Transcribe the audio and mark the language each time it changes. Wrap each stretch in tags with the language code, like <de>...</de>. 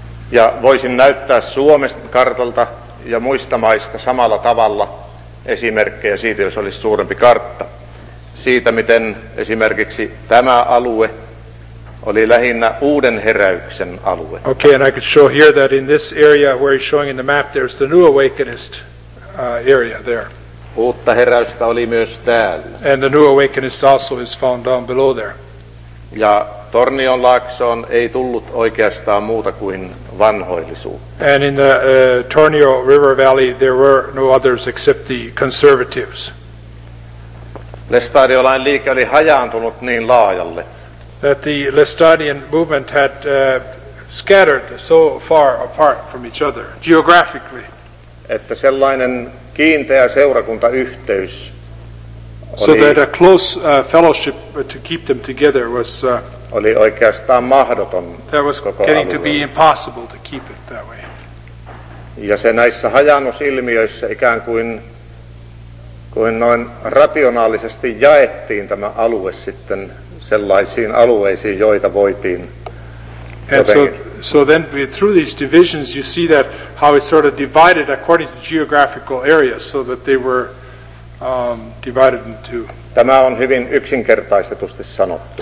<fi>Ja voisin näyttää Suomen kartalta ja muista maista samalla tavalla esimerkkejä siitä, jos olisi suurempi kartta. Siitä, miten esimerkiksi tämä alue oli lähinnä uuden heräyksen alue.</fi> <en>Okay, and I could show here that in this area where he's showing in the map, there's the New Awakenist area there.</en> <fi>Uutta heräystä oli myös täällä.</fi> <en>And the New Awakenist also is found down below there.</en> <fi>Ja Tornionlaaksoon ei tullut oikeastaan muuta kuin vanhoillisuutta.</fi> <en>And in the Tornio River Valley, there were no others except the conservatives.</en> <fi>Lestadiolain liike oli hajaantunut niin laajalle.</fi> <en>That the Lestadian movement had scattered so far apart from each other, geographically.</en> <fi>Että sellainen kiinteä seurakuntayhteys oli,</fi> <en>so that a close fellowship to keep them together was</en> <fi>oli oikeastaan mahdoton.</fi> <en>That was</en> <fi>koko</fi> <en>getting</en> <fi>alueella.</fi> <en>To be impossible to keep it that way.</en> <fi>Ja se näissä hajannusilmiöissä ikään kuin kuin noin rationaalisesti jaettiin tämä alue sitten sellaisiin alueisiin, joita voitiin.</fi> <en>And so then through these divisions you see that how it sort of divided according to geographical areas, so that they were divided into.</en> <fi>Tämä on hyvin yksinkertaistetusti sanottu.</fi>